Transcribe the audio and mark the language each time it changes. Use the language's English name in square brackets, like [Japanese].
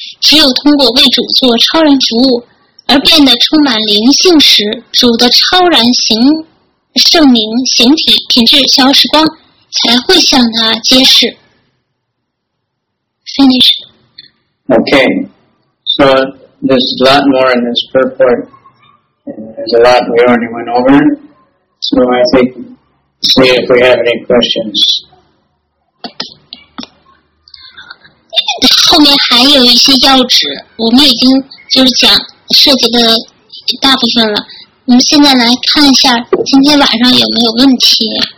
[Chinese] 只有通过为主做超然服务而变得充满灵性时，主的超然形、圣名、形体、品质、消失光才会向他揭示。 [English] Finish. Okay. So there's a lot more in this purport. There's a lot we already went over. So I think, see if we have any questions. [Chinese] 后面还有一些要旨，我们已经就是讲涉及的大部分了。我们现在来看一下今天晚上有没有问题。